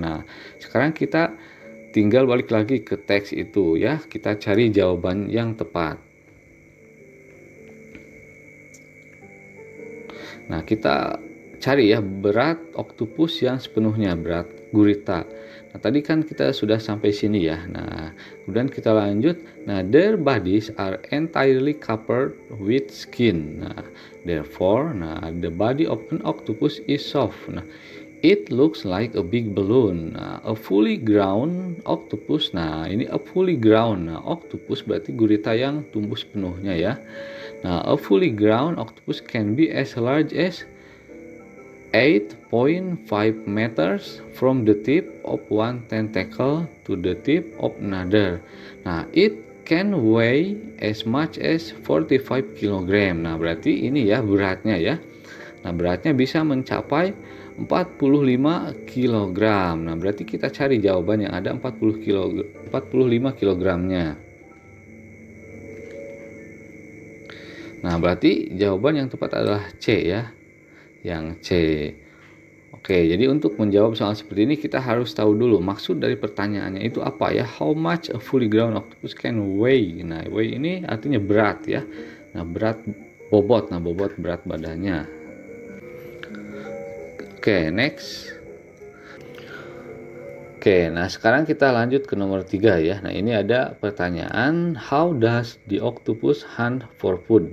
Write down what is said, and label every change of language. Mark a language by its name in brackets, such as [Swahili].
[Indonesian] Nah, sekarang kita tinggal balik lagi ke teks itu ya, kita cari jawaban yang tepat. Nah, kita cari ya berat oktopus yang sepenuhnya, berat gurita. Nah, tadi kan kita sudah sampai sini ya. Nah, kemudian kita lanjut. [English] Nah, their bodies are entirely covered with skin. Nah, therefore, the body of an octopus is soft. Nah, It looks like a big balloon. Nah, a fully grown octopus. [Indonesian] Nah, ini [English] a fully grown. [Indonesian] Nah, octopus berarti gurita yang tumbuh sepenuhnya ya. [English] Nah, a fully grown octopus can be as large as 8.5 meters from the tip of one tentacle to the tip of another. Nah, it can weigh as much as 45 kilogram. [Indonesian] Nah, berarti ini ya beratnya ya. Nah, beratnya bisa mencapai 45 kilogram. Nah, berarti kita cari jawaban yang ada 45 kilogramnya. Nah, berarti jawaban yang tepat adalah C ya. Yang C. Oke, jadi untuk menjawab soal seperti ini kita harus tahu dulu maksud dari pertanyaannya itu apa ya? [English] How much a fully grown octopus can weigh? [Indonesian] Nah, weigh ini artinya berat ya. Nah, berat bobot. Nah, bobot berat badannya. [English] Oke, next. [Indonesian] Oke, nah sekarang kita lanjut ke nomor 3 ya. Nah, ini ada pertanyaan [English] how does the octopus hunt for food?